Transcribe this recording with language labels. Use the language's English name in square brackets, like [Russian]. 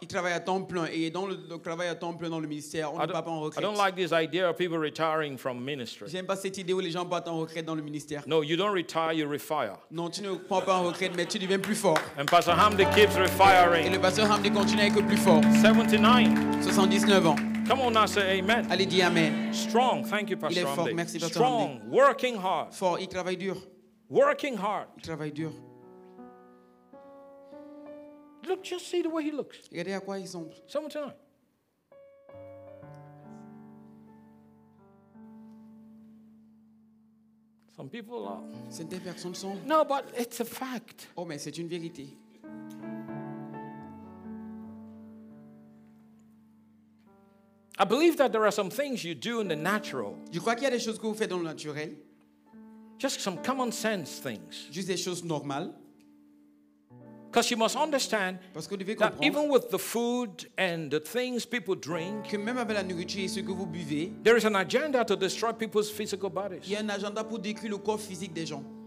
[French] Il travaille à temps plein et travaille à temps plein dans le ministère. On ne va pas en retraite. [English] I don't like this idea of people retiring from ministry. [French] J'aime pas cette idée où les gens partent en retraite dans le ministère. [English] No, you don't retire, you refire. [French] Non, tu ne prends pas en retraite, mais tu deviens plus fort. [English] And Pastor Hamdi keeps refiring. [French] Et le Pasteur Hamdi continue à être plus fort. 79 ans. [English] Come on now, say amen. [French] Allez, dis amen. [English] Strong, thank you, Pastor. [French] Il est fort, merci, Pastor. [English] Strong, Hamdi. Working hard. [French] Fort, il travaille dur. [English] Working hard. [French] Il travaille dur. [English] Look, just see the way he looks. [French] Regardez à quoi il ressemble. [English] Summertime. Some people are. [French] C'est des personnes sont. [English] No, but it's a fact. [French] Oh, mais c'est une vérité. [English] I believe that there are some things you do in the natural. [French] Je crois qu'il y a des choses que vous faites dans le naturel. [English] Just some common sense things. [French] Juste des choses normales. [English] Because you must understand that even with the food and the things people drink, [French] que même avec la nourriture et ce que vous buvez, [English] there is an agenda to destroy people's physical bodies. [French] Il y a un agenda pour détruire le corps physique des gens.